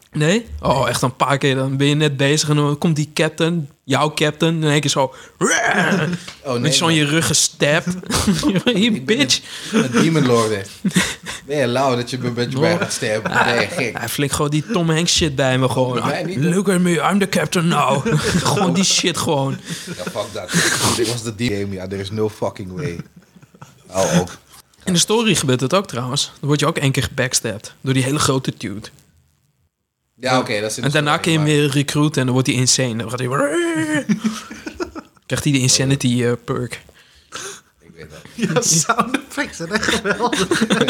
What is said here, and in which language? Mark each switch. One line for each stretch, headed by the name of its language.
Dutch: Nee? Oh, echt een paar keer. Dan ben je net bezig en dan komt die captain, jouw captain, in één keer zo. Oh, nee, met zo in je rug gestapt. Je bitch. Een demon lord. Ben je lauw dat je me bij gaat stappen? Ben je gek? Hij flink gewoon die Tom Hanks shit bij me gewoon.
English: Look at me, I'm the captain now.
Dutch: Gewoon die shit gewoon. Ja, fuck dat. Dit was de demon.
English: Ja, there is no fucking way. Oh.
Dutch: In de story gebeurt het ook trouwens. Dan word je ook één keer gebackstabbed door die hele grote dude. Ja, oké. Okay, en daarna kun je hem weer recruiten en dan wordt hij insane. Dan gaat hij... krijgt hij de insanity perk. Ik weet het. Ja, sound effects zijn echt geweldig.